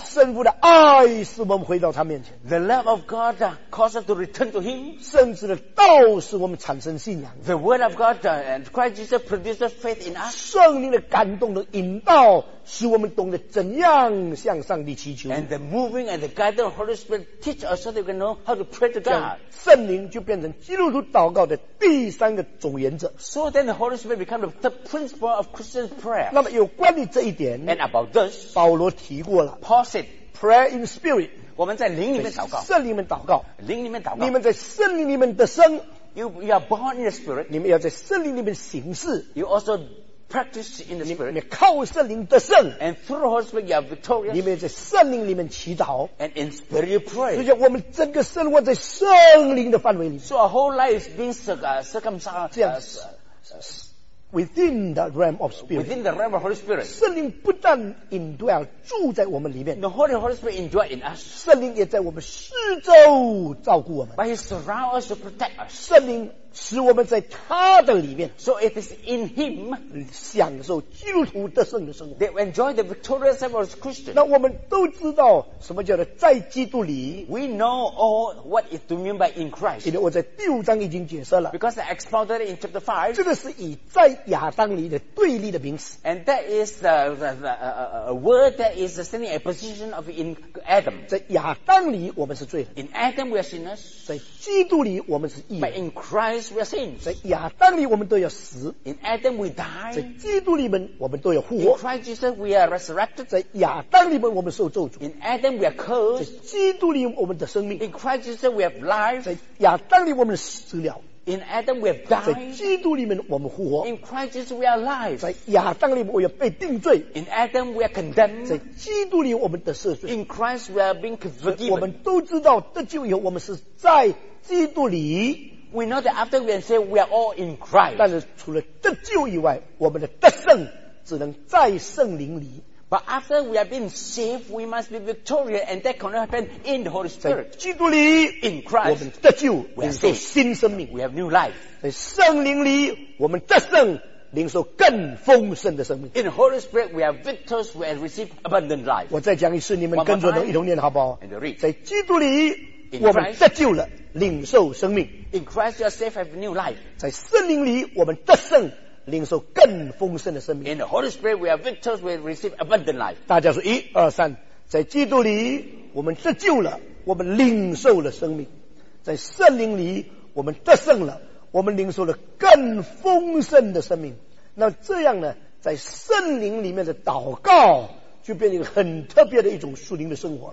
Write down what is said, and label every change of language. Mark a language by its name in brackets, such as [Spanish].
[Chinese] 圣父的爱使我们回到他面前。 [English] The love of God causes us to return to Him. [Chinese] 圣子的道使我们产生信仰。 [English] The word of God and Christ Jesus produces faith in us. [Chinese] 圣灵的感动的引导使我们懂得怎样向上帝祈求。 [English] And the moving and the guidance of the Holy Spirit teach us so that we can know how to pray to God. [Chinese] 圣灵就变成基督徒祷告的第三个总原则。 [English] So then the Holy Spirit becomes the principle of Christian prayer. [Chinese] 那么有关于这一点， [English] and about this, [Chinese] 保罗提过了。 [English] Paul said, prayer in spirit. [Chinese] 我们在灵里面祷告。圣灵里面祷告。灵里面祷告。你们在圣灵里面得生。 [English] You are born in the spirit. [Chinese] 你们要在圣灵里面行事。 [English] You also practice in the spirit. [Chinese] 你靠圣灵得胜。 [English] And through the Holy Spirit you are victorious. [Chinese] 你们在圣灵里面祈祷。 [English] And in spirit you pray. [Chinese] 所以我们整个生活在圣灵的范围里。 [English] So our whole life is being circumcised. [Chinese] 这样子。 [English] Within the realm of spirit, within the realm of Holy Spirit, [Chinese] 圣灵不但 indwell 住在我们里面， [English] the Holy Holy Spirit indwell in us, [Chinese] 圣灵也在我们四周照顾我们， [English] but He surround us to protect us, [Chinese] 圣灵使我们在他的里面， [English] so it is in Him, [Chinese] 享受基督徒得胜的生活， [English] they enjoy the victorious life of Christians. [Chinese] 那我们都知道什么叫做在基督里， [English] we know all what it do mean by in Christ. [Chinese] 因为我在第五章已经解释了， [English] because I expounded it in chapter 5. [Chinese] 这个是以在亚当里的对立的名词， [English] and that is a word that is standing a position of in Adam. [Chinese] 在亚当里我们是罪人， [English] in Adam we are sinners. [Chinese] 在基督里我们是义人， [English] but in Christ we are sins. [Chinese] 在亚当里我们都要死， [English] in Adam we die. [Chinese] 在基督里面我们都要复活， [English] in Christ Jesus we are resurrected. [Chinese] 在亚当里面我们受咒诅， [English] in Adam we are cursed. [Chinese] 在基督里我们的生命， [English] in Christ Jesus we have life. [Chinese] 在亚当里我们死了， [English] in Adam we have died. [Chinese] 在基督里面我们复活， [English] in Christ Jesus we are alive. [Chinese] 在亚当里面我们被定罪， [English] in Adam we are condemned. [Chinese] 在基督里我们得赦罪， [English] in Christ we are being forgiven. [Chinese] 我们都知道得救以后我们是在基督里。 [English] We know that after we are saved, we are all in Christ. [Chinese] 但是除了得救以外，我们的得胜只能在圣灵里。 [English] But after we are being saved, we must be victorious, and that cannot happen in the Holy Spirit. [Chinese] 在基督里 [English] ，in Christ， [Chinese] 我们得救，领受新生命 [English] ，we have new life. [Chinese] 在圣灵里，我们得胜，领受更丰盛的生命。 [English] In the Holy Spirit, we are victors, we have received abundant life. [Chinese] 我再讲一次，你们跟着我一同念好不好？ [English] And read. [Chinese] 在基督里。我们得救了，领受生命。 [English] In Christ, you are safe, have new life. [Chinese] 在圣灵里，我们得胜，领受更丰盛的生命。 [English] In the Holy Spirit, we are victors, we receive abundant life. [Chinese] 大家说一二三，在基督里，我们得救了。我们领受了生命，在圣灵里我们得胜了，我们领受了更丰盛的生命。那这样呢，在圣灵里面的祷告就变成很特别的一种属灵的生活。